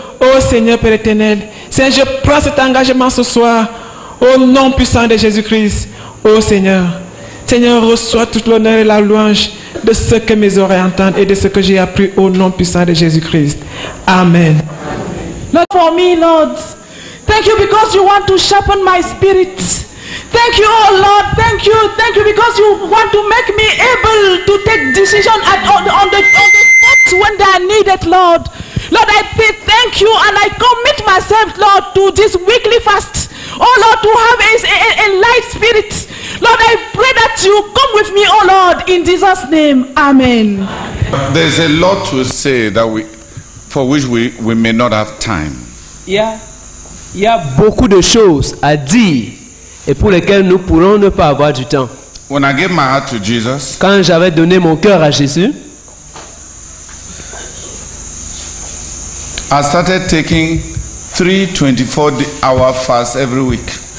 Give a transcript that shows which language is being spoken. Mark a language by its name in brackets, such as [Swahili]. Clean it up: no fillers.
[French] Ô Seigneur, Père éternel. Seigneur, je prends cet engagement ce soir. Au nom puissant de Jésus-Christ. Ô Seigneur. Seigneur, reçois toute l'honneur et la louange de ce que mes oreilles entendent et de ce que j'ai appris au nom puissant de Jésus-Christ. Amen. [English] Not for me, Lord. Thank you because you want to sharpen my spirit. Thank you, oh Lord. Thank you. Thank you because you want to make me able to take decisions on the spot when they are needed, Lord. Lord, I say thank you and I commit myself, Lord, to this weekly fast. Oh Lord, to have a light spirit. Lord, I pray that you come with me, oh Lord, in Jesus' name. Amen. There's a lot to say that we, for which we may not have time. Yeah. [French] Il y a beaucoup de choses à dire et pour lesquelles nous pourrons ne pas avoir du temps. [English] When I gave my heart to Jesus, [French] quand j'avais donné mon cœur à Jésus, [English] I started taking 3 24-hour fasts every week.